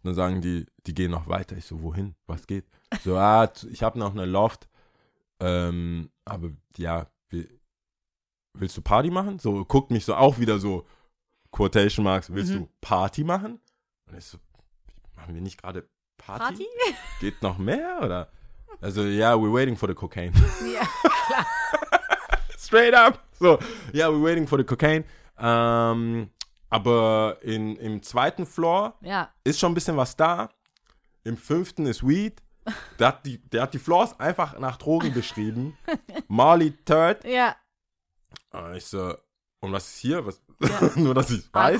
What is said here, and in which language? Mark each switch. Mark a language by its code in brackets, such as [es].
[de] Dann sagen die, die gehen noch weiter. Ich so, wohin? Was geht? So, ich habe noch eine Loft. Aber ja, willst du Party machen? So, guckt mich so auch wieder so, Quotation Marks, willst du Party machen? Und ich so, machen wir nicht gerade Party? Party? Geht noch mehr? Oder? [en] Also, yeah, we're waiting for the cocaine. [de] Ja, klar. [en] Straight up. So, yeah, we're waiting for the cocaine. [de] Aber im zweiten Floor ist schon ein bisschen was da. Im fünften ist Weed. Der hat die Floors einfach nach Drogen beschrieben. Marley Third. Ja. Und ich so, und was ist hier? Was? Ja. Nur, dass ich weiß.